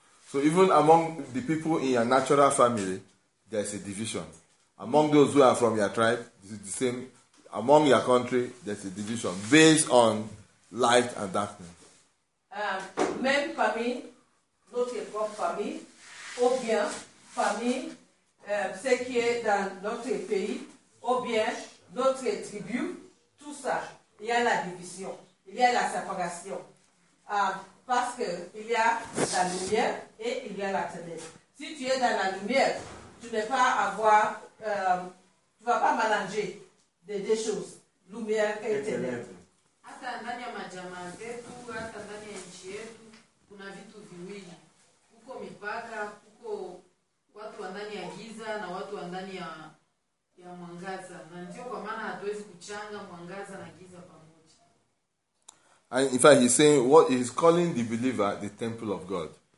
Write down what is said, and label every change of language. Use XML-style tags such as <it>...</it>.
<en>So even among the people in your natural family, there is a division. Among those who are from your tribe, this is the same. Among your country, there is a division based on light and darkness.</en> <fr>Même parmi notre propre famille, ou bien famille, ce qui est dans notre pays, ou bien notre tribu, tout ça, il y a la division, il y a la séparation. Parce qu'il y a la lumière et il y a la ténèbre. Si tu es dans la lumière, tu ne vas pas avoir, tu ne vas pas mélanger des choses, lumière et ténèbre.</fr> <sw>Hata ndani ya majama zetu, hata ndani ya nchi yetu, kuna vitu viwili. Huko mipaka, huko watu wa ndani ya giza na watu wa ndani ya mwangaza. Na ndio kwa maana hatuwezi kuchanga mwangaza na giza pamoja.</sw> <en>And in fact, he's saying what he's calling the believer the temple of God.</en>